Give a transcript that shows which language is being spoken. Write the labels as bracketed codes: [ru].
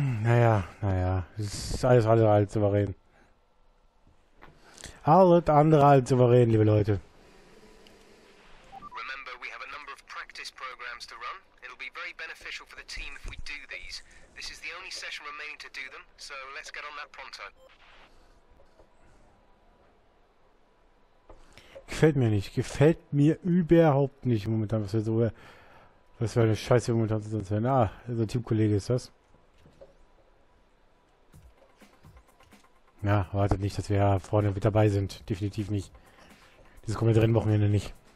[de] Alles andere als souverän. Alles andere als souverän, liebe Leute. [en] Remember, we have a number of practice programs to run. It'll be very beneficial for the team if we do these. This is the only session remaining to do them, so let's get on that pronto. [de] Gefällt mir nicht. Gefällt mir überhaupt nicht momentan, was wir so. Was für eine Scheiße momentan zu sein. Ah, also Teamkollege ist das. Ja, wartet nicht, dass wir vorne mit dabei sind. Definitiv nicht. Dieses komplette Rennwochenende nicht.